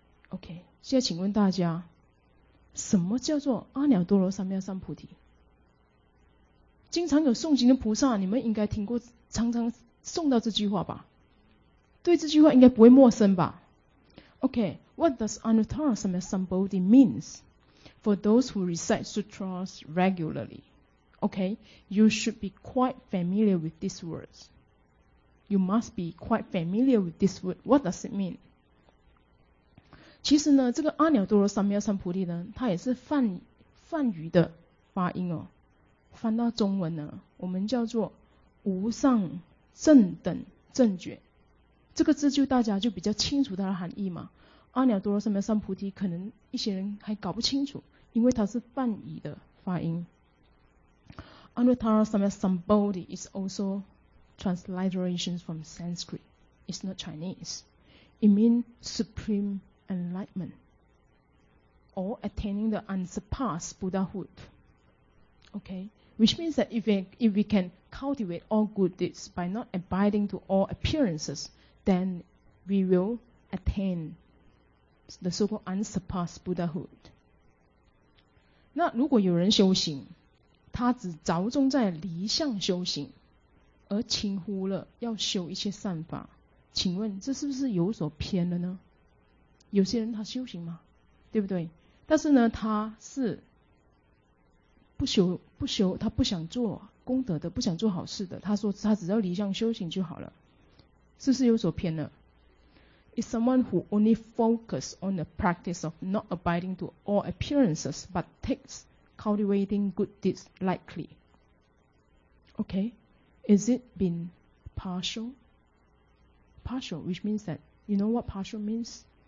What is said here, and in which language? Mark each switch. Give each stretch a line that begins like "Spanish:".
Chinese: Okay, 现在请问大家，什么叫做阿耨多罗三藐三菩提？经常有诵经的菩萨，你们应该听过，常常诵到这句话吧？对这句话应该不会陌生吧？
English: Okay, what does Anuttara Samyasambodhi means? For those who recite sutras regularly, okay, you should be quite familiar with these words. You must be quite familiar with this word. What does it mean?
Chinese: 其实呢，这个阿耨多罗三藐三菩提呢，它也是梵语的发音哦。翻到中文呢，我们叫做无上正等正觉。这个字就大家就比较清楚它的含义嘛。阿耨多罗三藐三菩提，可能一些人还搞不清楚，因为它是梵语的发音。
English: 阿耨多罗三藐三菩提 is also transliteration from Sanskrit. It's not Chinese. It means supreme enlightenment or attaining the unsurpassed Buddhahood. Okay. Which means that if we can cultivate all good deeds by not abiding to all appearances, then we will attain the so-called unsurpassed Buddhahood.
Chinese: 那如果有人修行，他只着重在离相修行，而轻忽了要修一些善法，请问这是不是有所偏了呢？有些人他修行嘛，对不对？但是呢，他是不修，他不想做功德的，不想做好事的。他说他只要离相修行就好了，是不是有所偏了？
English: Is someone who only focus on the practice of not abiding to all appearances, but takes cultivating good deeds lightly? Okay, is it been partial? Partial, which means that you know what partial means.